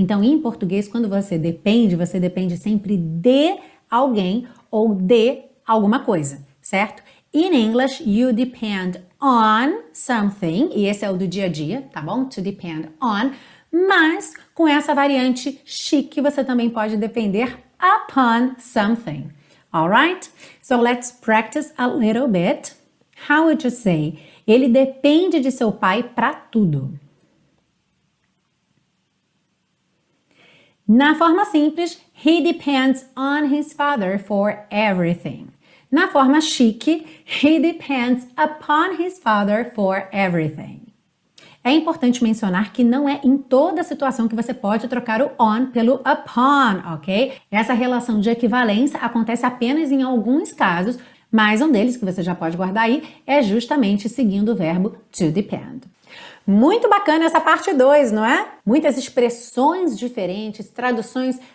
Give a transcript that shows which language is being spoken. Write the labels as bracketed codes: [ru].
[pt] Então, em português, quando você depende sempre de alguém ou de alguma coisa, certo? [en] In English, you depend on something, [pt] e esse é o do dia a dia, tá bom? [en] To depend on. [pt] Mas, com essa variante chique, você também pode depender upon something. [en] Alright? So, let's practice a little bit. How would you say? [pt] Ele depende de seu pai para tudo. Na forma simples, [en] he depends on his father for everything. [pt] Na forma chique, [en] he depends upon his father for everything. [pt] É importante mencionar que não é em toda situação que você pode trocar o on pelo upon, ok? Essa relação de equivalência acontece apenas em alguns casos, mas um deles que você já pode guardar aí é justamente seguindo o verbo to depend. Muito bacana essa parte 2, não é? Muitas expressões diferentes, traduções